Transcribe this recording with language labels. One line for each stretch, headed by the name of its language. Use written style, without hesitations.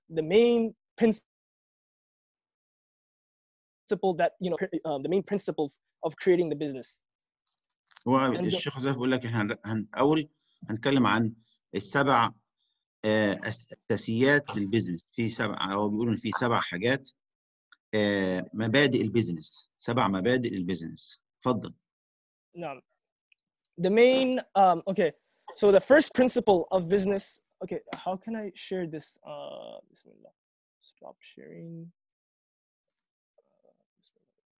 English: The main principle that you know the main principles of creating the business.
Arabic: الشيخ حذيفة بيقول لك هنأول هنتكلم عن السبع أساسيات للبزنس. في سبع أو بيقولوا في سبع حاجات مبادئ البزنس. سبع مبادئ البزنس. تفضل. نعم.
English: The main, okay, so the first principle of business, okay, how can I share this? Bismillah, stop sharing.
Arabic: Bismillah.